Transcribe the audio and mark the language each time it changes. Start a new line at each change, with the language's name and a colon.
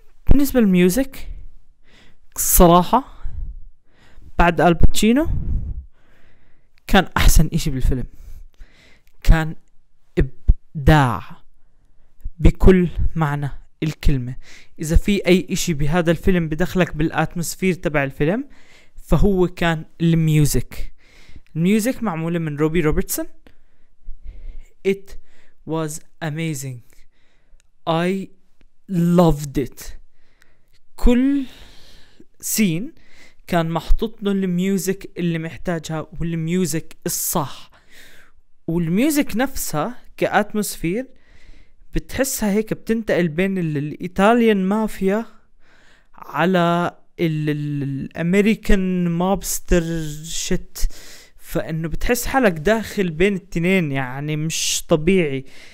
Arabic: بالنسبة للميوزك صراحة بعد الباتشينو كان أحسن إشي بالفيلم، كان إبداع بكل معنى الكلمة. إذا في أي إشي بهذا الفيلم بدخلك بالأتموسفير تبع الفيلم فهو كان الميوزك. الميوزك معمولة من روبي روبرتسون،
English: it was amazing, I loved it.
Arabic: كل سين كان محطوط له الميوزك اللي محتاجها والميوزك الصح، والميوزك نفسها كأتموسفير بتحسها هيك بتنتقل بين الإيطاليان مافيا على الأمريكان موبستر شت، فإنه بتحس حالك داخل بين التنين يعني مش طبيعي.